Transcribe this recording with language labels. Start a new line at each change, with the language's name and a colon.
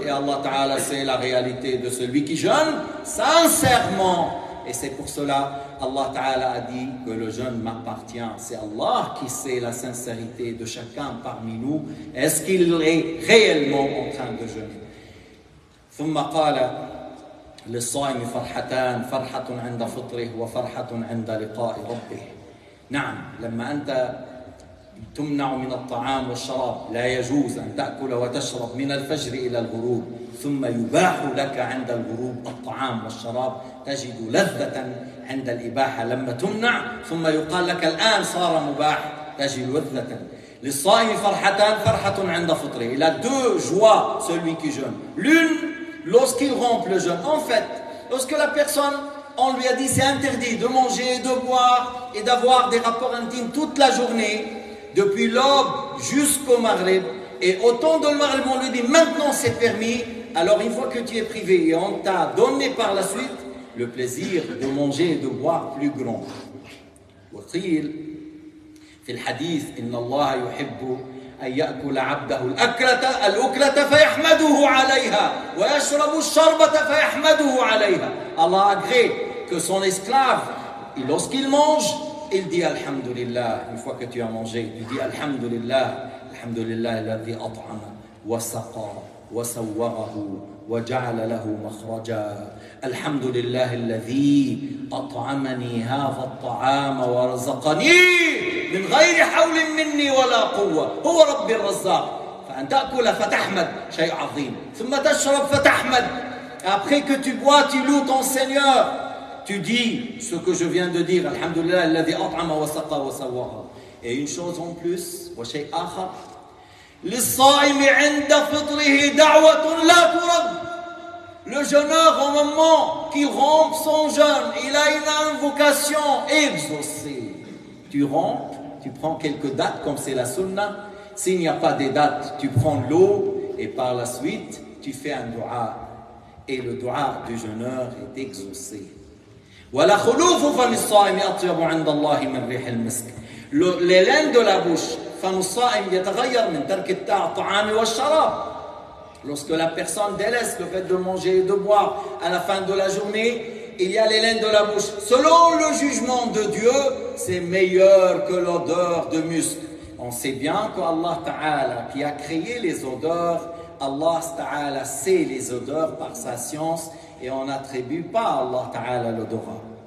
French: Et Allah Ta'ala sait la réalité de celui qui jeûne sincèrement. Et c'est pour cela Allah Ta'ala a dit que le jeûne m'appartient. C'est Allah qui sait la sincérité de chacun parmi nous. Est-ce qu'il est réellement en train de jeûner?
Arabic: ثم قال للصائم فرحتان، فرحة عند فطره وفرحة عند لقاء ربه. نعم، لما أنت تمنع من الطعام والشراب لا يجوز أن تأكل وتشرب من الفجر إلى الغروب، ثم يباح لك عند الغروب الطعام والشراب، تجد لذة عند الإباحة لما تمنع ثم يقال لك الآن صار مباح، تجد لذة. للصائم فرحتان، فرحة عند فطره.
French: إلى دو جوا celui qui jeûne. L'une lorsqu'il rompt le jeûne. En fait, lorsque la personne, on lui a dit c'est interdit de manger, de boire et d'avoir des rapports intimes toute la journée, depuis l'aube jusqu'au maghrib, et au temps de le maghrib on lui dit maintenant c'est permis, alors une fois que tu es privé et on t'a donné par la suite le plaisir de manger et de boire plus grand.
Arabic: وقيل في الحديث إن الله يحب أن يأكل عبده الأكلة فيحمده عليها ويشرب الشربة فيحمده عليها.
French: Allah agrée que son esclave, lorsqu'il mange, il dit Alhamdulillah. Une fois que tu as mangé, il dit Alhamdulillah.
Arabic: Alhamdulillah الذي أطعم وسقى وسوره وجعل له مخرجا. Alhamdulillah الذي أطعمني هذا الطعام ورزقني من غير حول مني ولا قوة هو رب الرزاق. فأن تأكل فتحمد شيء عظيم، ثم تشرب فتحمد.
French: Après que tu bois, tu loues ton Seigneur. Tu dis ce que je viens de dire. Alhamdulillah الذي أطعم وسقى وسواه. Et une chose en plus,
Arabic: وشيء آخر. للصائم عند فطره دعوة لا ترد.
French: Le jeûneur, au moment qu'il rompt son jeûne, il a une invocation exaucée. Tu rompes, tu prends quelques dates, comme c'est la sunna. S'il n'y a pas des dates, tu prends l'eau et par la suite, tu fais un dua. Et le dua du jeûneur est exaucé.
Arabic: وَلَا خُلُوفُ فَمِ الصَّائِمِ أَطْيَبُ عَنْدَ اللَّهِ مَنْ رِحِ الْمِسْكِ.
French: L'haleine de la bouche,
Arabic: فَمُ الصَّائِمِ يَتَغَيَّرْ مِنْ تَرْكِ الطَّعَامِ وَالشَّرَابِ.
French: Lorsque la personne délaisse le fait de manger et de boire à la fin de la journée, il y a l'haleine de la bouche. Selon le jugement de Dieu, c'est meilleur que l'odeur de musc. On sait bien qu'Allah Ta'ala qui a créé les odeurs, Allah Ta'ala sait les odeurs par sa science et on n'attribue pas à Allah Ta'ala l'odorat.